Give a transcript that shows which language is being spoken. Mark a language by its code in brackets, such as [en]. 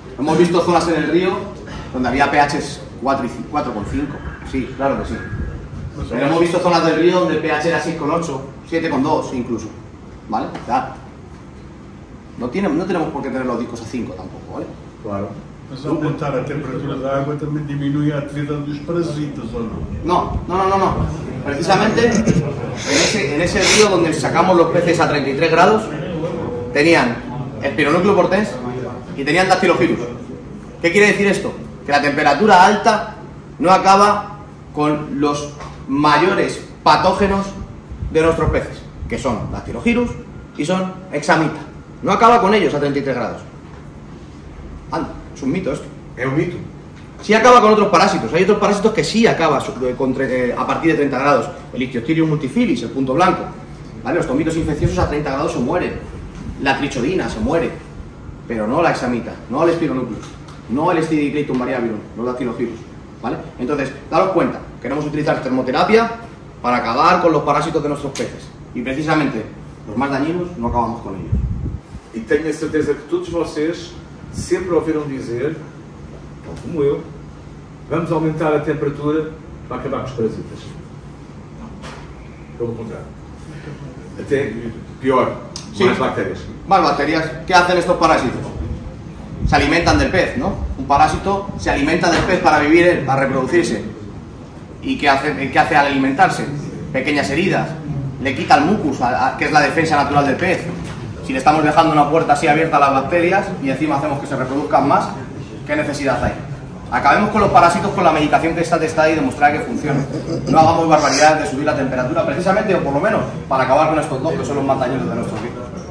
[es] Hemos visto zonas en el río donde había pHs 4,5. Sí, claro que sí. Pero hemos visto zonas del río donde el pH era 6,8, 7,2 incluso. ¿Vale? Claro. No tenemos por qué tener los discos a 5 tampoco, ¿vale? Claro. [pt] Mas ao aumentar a temperatura da água também diminui a atividade dos parasitas, ou não? Não. [es] Precisamente, en ese río [gl] onde sacamos os [es] peces a 33 grados, tenían espironúcleo portens e tenían dactilofilus. [gl] Que quere dizer isto? Que a temperatura alta non acaba con os maiores patógenos de nosos peces, que son dactilofilus e son hexamita. [es] Non acaba con ellos a 33 grados. Anda. Es un mito esto. Es un mito. Sí acaba con otros parásitos. Hay otros parásitos que sí acaba a partir de 30 grados. El Ichthyosaurus multifilis, el punto blanco. ¿Vale? Los tomitos infecciosos a 30 grados se mueren. La trichodina se muere. Pero no la hexamita, no el espironúcleo. No el Escidiclitum variabilum, no el dactilofilus. ¿Vale? Entonces, daros cuenta. Queremos utilizar termoterapia para acabar con los parásitos de nuestros peces. Y precisamente, los más dañinos no acabamos con ellos. Y tengo [pt] certeza que todos vocês sempre ouviram dizer, como eu, vamos aumentar a temperatura para acabar com os parasitas. Pelo contrário. Até pior, sim. Mais bactérias. Mais bactérias. O que fazem estes parásitos? Se alimentam do pez, não? Um parásito se alimenta do pez para viver, para reproduzir-se. E o que faz ao alimentar-se? Pequenas feridas. Le quita o mucus, que é a defesa natural do pez. [es] Si le estamos dejando una puerta así abierta a las bacterias y encima hacemos que se reproduzcan más, ¿qué necesidad hay? Acabemos con los parásitos con la medicación que está testada y demostrada que funciona. No hagamos barbaridades de subir la temperatura, precisamente, o por lo menos, para acabar con estos dos que son los más dañinos de nuestros hijos.